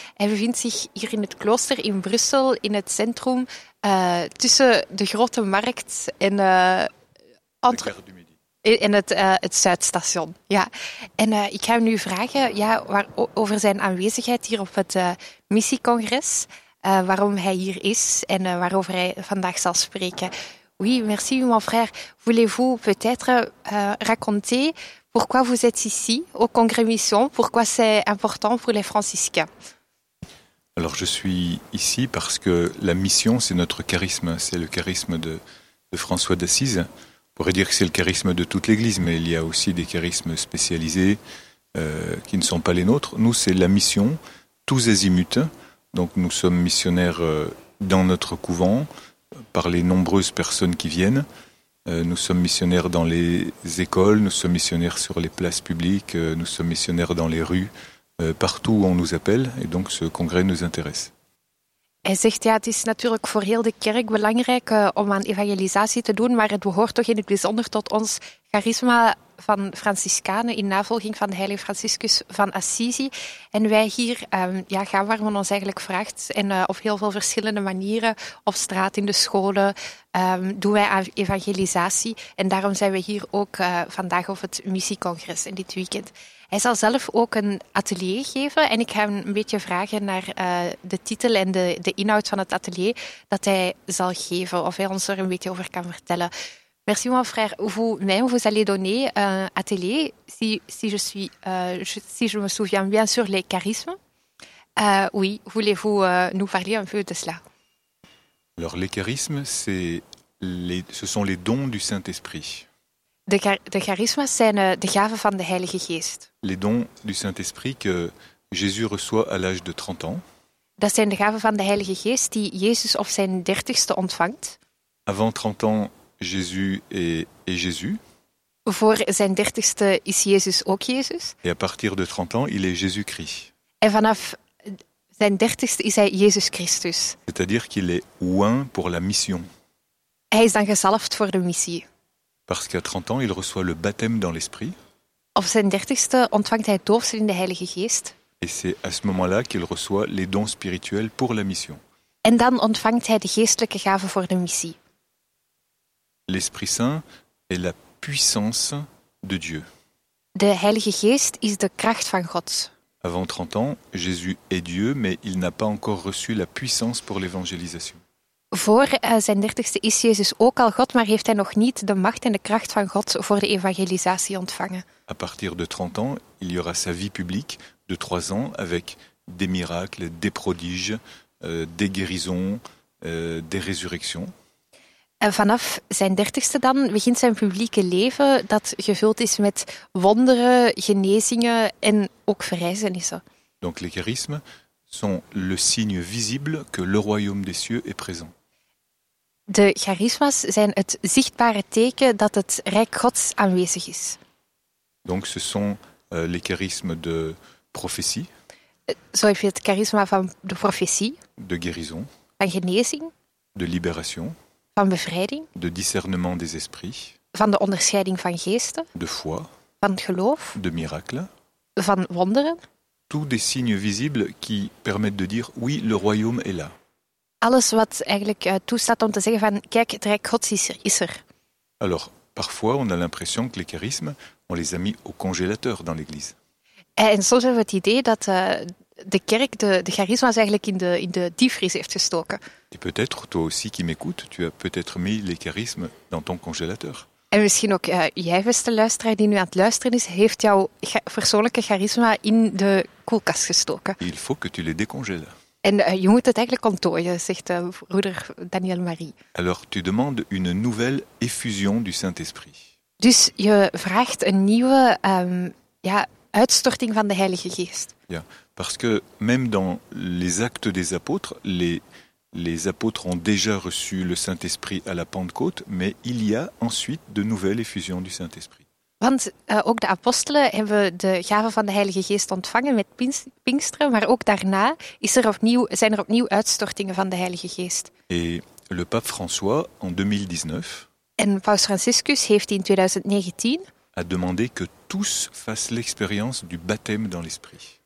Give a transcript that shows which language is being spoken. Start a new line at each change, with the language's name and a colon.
Dutch: Hij bevindt zich hier in het klooster in Brussel, in het centrum, tussen de Grote Markt en het Zuidstation. Ja. En ik ga hem nu vragen over zijn aanwezigheid hier op het missiecongres, waarom hij hier is en waarover hij vandaag zal spreken.
French: Oui, merci mon frère. Voulez-vous peut-être raconter pourquoi vous êtes ici au congrès mission, pourquoi c'est important pour les franciscains? Alors je suis ici parce que la mission, c'est notre charisme, c'est le charisme de François d'Assise. On pourrait dire que c'est le charisme de toute l'Église, mais il y a aussi des charismes spécialisés qui ne sont pas les nôtres. Nous, c'est la mission, tous azimuts. Donc nous sommes missionnaires dans notre couvent, par les nombreuses personnes qui viennent. Nous sommes missionnaires dans les écoles, nous sommes missionnaires sur les places publiques, nous sommes missionnaires dans les rues, partout où on nous appelle, et donc ce congrès nous intéresse.
Dutch: Hij zegt, ja, het is natuurlijk voor heel de kerk belangrijk om aan evangelisatie te doen, maar het behoort toch in het bijzonder tot ons charisma van Franciscanen in navolging van de heilige Franciscus van Assisi. En wij hier gaan waar men ons eigenlijk vraagt. En op heel veel verschillende manieren, op straat, in de scholen, doen wij aan evangelisatie. En daarom zijn we hier ook vandaag op het missiecongres in dit weekend. Hij zal zelf ook een atelier geven en ik ga hem een beetje vragen naar de titel en de inhoud van het atelier dat hij zal geven, of hij ons er een beetje over kan vertellen.
French: Merci mon frère, vous allez donner un atelier, si je me souviens bien, sur les charismes. Oui, voulez-vous nous parler un peu de cela? Alors les charismes, ce sont les dons du Saint-Esprit.
Dutch: De charismes zijn de gaven van de Heilige Geest.
French: Les dons du Saint-Esprit que Jésus reçoit à l'âge de 30 ans.
Dutch: Dat zijn de gaven van de Heilige Geest die Jezus op zijn 30ste ontvangt.
French: Avant 30 ans, Jésus est Jésus.
Dutch: Voor zijn 30ste is Jezus ook Jezus.
French: Et à partir de 30 ans, il est Jésus-Christ.
Dutch: En vanaf zijn 30ste is hij Jezus Christus.
French: C'est-à-dire qu'il est oint pour la mission.
Dutch: Hij is dan gezalfd voor de missie.
French: Parce qu'à 30 ans, il reçoit le baptême dans l'esprit.
Dutch: Op zijn 30ste ontvangt hij doopsel in de Heilige Geest.
French: Et c'est à ce moment-là qu'il reçoit les dons spirituels pour la mission.
Dutch: En dan ontvangt hij de geestelijke gaven voor de missie.
French: L'Esprit Saint est la puissance de Dieu.
Dutch: De Heilige Geest is de kracht van God.
French: Avant 30 ans, Jésus est Dieu, mais il n'a pas encore reçu la puissance pour l'évangélisation.
Dutch: Voor zijn 30ste is Jezus ook al God, maar heeft hij nog niet de macht en de kracht van God voor de evangelisatie ontvangen.
French: À partir de 30 ans, il y aura sa vie publique de 3 ans avec des miracles, des prodiges, des guérisons, des résurrections.
Dutch: En vanaf zijn 30ste dan begint zijn publieke leven dat gevuld is met wonderen, genezingen en ook verrijzenissen.
French: Donc les charismes sont le signe visible que le royaume des cieux est présent.
Dutch: De charisma's zijn het zichtbare teken dat het rijk Gods aanwezig is.
French: Donc ce sont les charismes de prophétie.
Dutch: Zo heb je het charisma van de profetie.
French: De guérison.
Dutch: Van genezing.
French: De libération.
Dutch: Van bevrijding.
French: De discernement des esprits.
Dutch: Van de onderscheiding van geesten.
French: De foi.
Dutch: Van geloof.
French: De miracles.
Dutch: Van wonderen.
French: Tous des signes visibles qui permettent de dire oui, le royaume est là.
Dutch: Alles wat eigenlijk toestaat om te zeggen van kijk, het rijk Gods is er.
French: Alors, parfois on a l'impression que les charismes, on les a mis au congélateur dans l'église.
Dutch: En soms hebben we het idee dat de kerk de charisma's eigenlijk in de diefvries heeft gestoken.
French: Et peut-être toi aussi qui m'écoutes, tu as peut-être mis les charismes dans ton congélateur.
Dutch: En misschien ook jij, beste luisteraar die nu aan het luisteren is, heeft jouw persoonlijke charisma in de koelkast gestoken.
French: Il faut que tu les décongèles.
Dutch: En je moet het eigenlijk ontdooien, zegt broeder Daniel Marie.
French: Alors tu demandes une nouvelle effusion du Saint-Esprit.
Dutch: Dus je vraagt een nieuwe uitstorting van de Heilige Geest.
French: Ja, parce que même dans les actes des apôtres, les apôtres ont déjà reçu le Saint-Esprit à la Pentecôte, mais il y a ensuite de nouvelles effusions du Saint-Esprit.
Dutch: Want ook de apostelen hebben de gave van de Heilige Geest ontvangen met Pinksteren, maar ook daarna zijn er opnieuw uitstortingen van de Heilige Geest.
French: Et le pape François, en 2019...
Dutch: En paus Franciscus heeft in 2019...
French: a demandé que tous fassent l'expérience du baptême dans l'esprit.